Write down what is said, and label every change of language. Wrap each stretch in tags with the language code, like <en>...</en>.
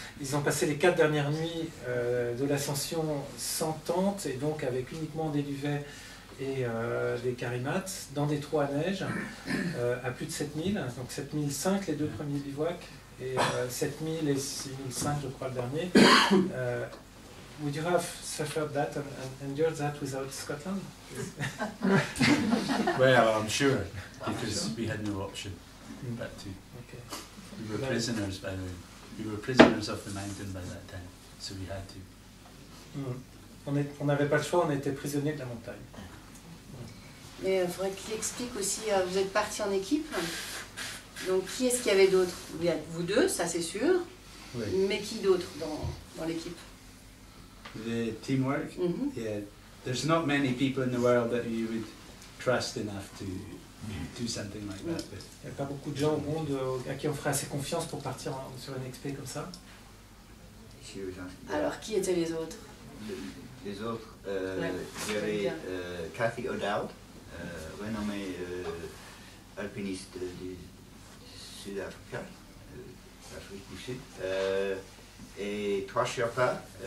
<fr>Ils ont passé les quatre dernières nuits de l'ascension sans tente et donc avec uniquement des duvets et des carimates dans des trous à neige à plus de 7000, donc 7005 les deux premiers bivouacs et 7000 et 6005 je crois le dernier.</fr> <en>Would you have suffered that and endured that without Scotland? Well, I'm sure because we had no option but to. Okay. We were prisoners by the way. We were prisoners of the mountain by that time, so we had to.</en> <fr>On n'avait pas le choix, on était prisonniers de la montagne. Mais il faudrait qu'il explique aussi, vous êtes parti en équipe, donc qui est-ce qu'il y avait d'autre? Il y a vous deux, ça c'est sûr, oui. Mais qui d'autre dans l'équipe?</fr> <en>The teamwork? Mm-hmm. Yeah. There's not many people in the world that you would trust enough to... Do something like that.</en> <fr>Il n'y a pas beaucoup de gens au monde à qui on ferait assez confiance pour partir sur une expé comme ça. Alors, qui étaient les autres? Les autres, il y avait Cathy O'Dowd, renommée alpiniste du Sud-Afrique, Afrique du Sud, et trois Sherpas.</fr>